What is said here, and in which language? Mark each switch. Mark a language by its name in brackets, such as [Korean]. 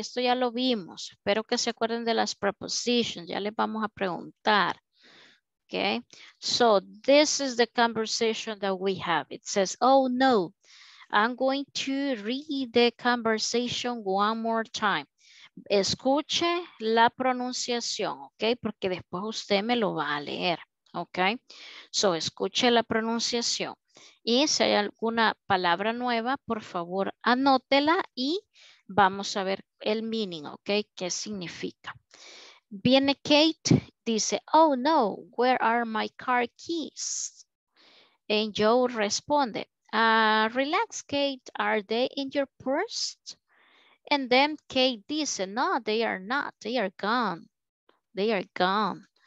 [Spanish] Esto ya lo vimos. Espero que se acuerden de las prepositions. Ya les vamos a preguntar. [English] Okay, so this is the conversation that we have. It says, oh no, I'm going to read the conversation one more time. [Spanish] Escuche la pronunciación, okay? Porque después usted me lo va a leer, okay? So escuche la pronunciación. Y si hay alguna palabra nueva, por favor, anótela y vamos a ver el meaning, okay? ¿Qué significa? Viene Kate, dice, [English] oh no, where are my car keys? And Joe responde, relax, Kate, are they in your purse? And then Kate dice, no, they are not, they are gone, they are gone.